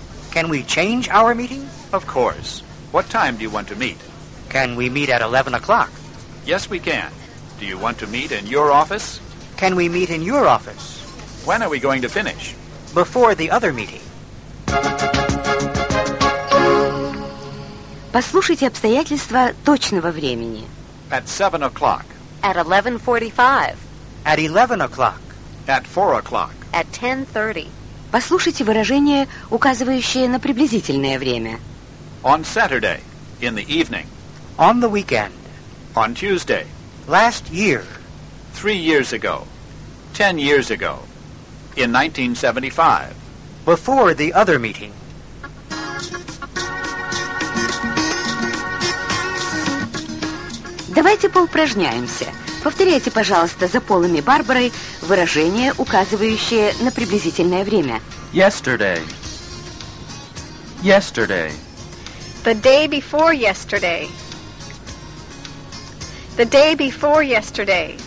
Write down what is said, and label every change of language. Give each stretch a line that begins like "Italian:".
English: Can we change our meeting? Of course. What time do you want to meet? Can we meet at 11 o'clock? Yes, we can. Do you want to meet in your office? Can we meet in your office? When are we going to finish? Before the other meeting.
Russian: Послушайте обстоятельства точного времени.
English: At 7 o'clock. At 11:45. At 11 o'clock. At 4 o'clock. At 10:30.
Russian: Послушайте выражения, указывающие на приблизительное время.
English: On Saturday, in the evening. On the weekend. On Tuesday. Last year. 3 years ago, 10 years ago, in 1975. Before the other meeting.
Russian: Давайте поупражняемся. Повторяйте, пожалуйста, за Полом и Барбарой выражения, указывающие на приблизительное время.
English: Yesterday. Yesterday. The day before yesterday. The day before yesterday.